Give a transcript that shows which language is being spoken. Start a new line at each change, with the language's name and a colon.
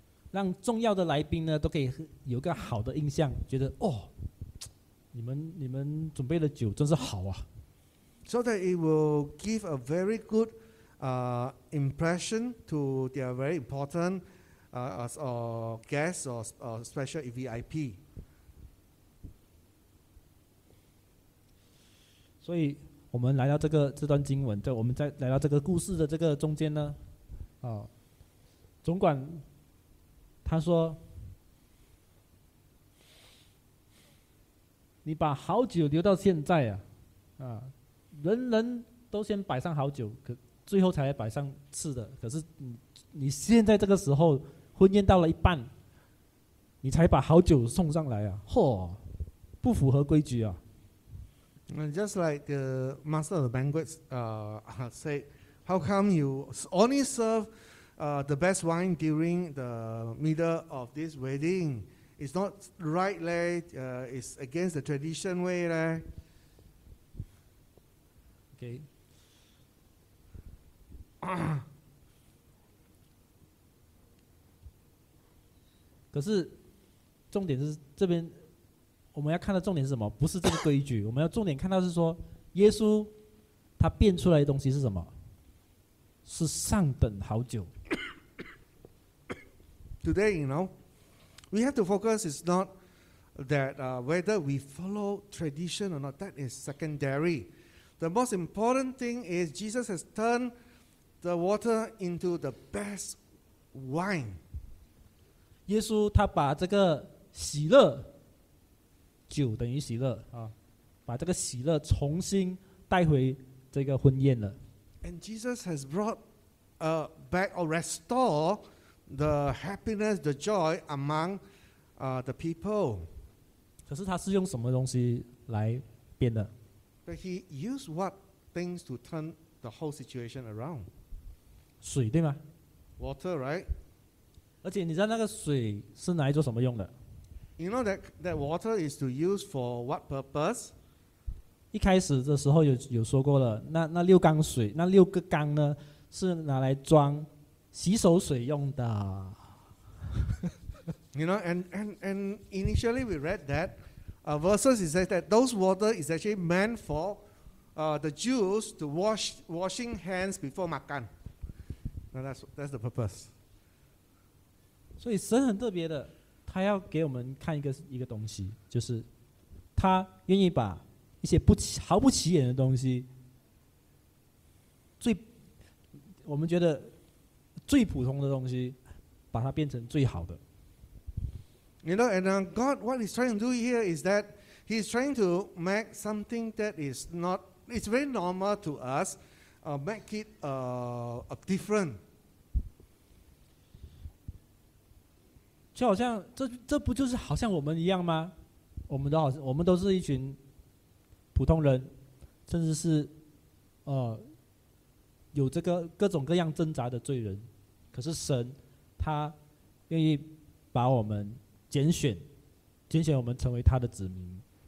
Chinese: 让重要的来宾呢都可以有个好的印象，觉得哦，你们准备的酒真是好啊。
English: So that it will give a very good. Impression to their very important guests or special VIP.
Chinese: 所以我们来到这段经文，我们来到这个故事的这个中间呢，总管他说，你把好酒留到现在啊，人人都先摆上好酒，可最后才摆上次的，可是你现在这个时候婚宴到了一半，你才把好酒送上来啊，嚯，不符合规矩啊。
English: Just like the master of the banquet said, how come you only serve the best wine during the middle of this wedding? It's not right, it's against the tradition way. Okay.
Chinese: 可是重点是这边我们要看到重点是什么，不是这个规矩。我们要重点看到是说耶稣他变出来的东西是什么，是上等好酒。
English: Today, you know, we have to focus is not that whether we follow tradition or not, that is secondary. The most important thing is Jesus has turnedthe water into the best wine.
Chinese: 耶稣他把这个喜乐，酒等于喜乐啊，把这个喜乐重新带回这个婚宴了。
English: And Jesus has brought back or restore the happiness, the joy among the people.
Chinese: 可是他是用什么东西来变的？
English: But he used what things to turn the whole situation around?
Chinese: 水对吗
English: ？Water, right?
Chinese: 而且你知道那个水是拿来做什么用的
English: ？You know that water is to use for what purpose?
Chinese: 一开始的时候 有说过了 那六缸水那六个缸呢是拿来装洗手水用的。
English: You know, and initially we read that verses is that those water is actually meant for the Jews to washing hands before makan. Now that's the purpose.
Chinese: 所以神很特别的，他要给我们看一个东西，就是他愿意把一些毫不起眼的东西，最我们觉得最普通的东西，把它变成最好的。
English: You know, and God, what He's trying to do here is that He's trying to make something that is not, it's very normal to us, make it different.
Chinese: 就好像这不就是好像我们一样吗？我们都是一群普通人，甚至是有这个各种各样挣扎的罪人，可是神他愿意把我们拣选我们成为他的子民。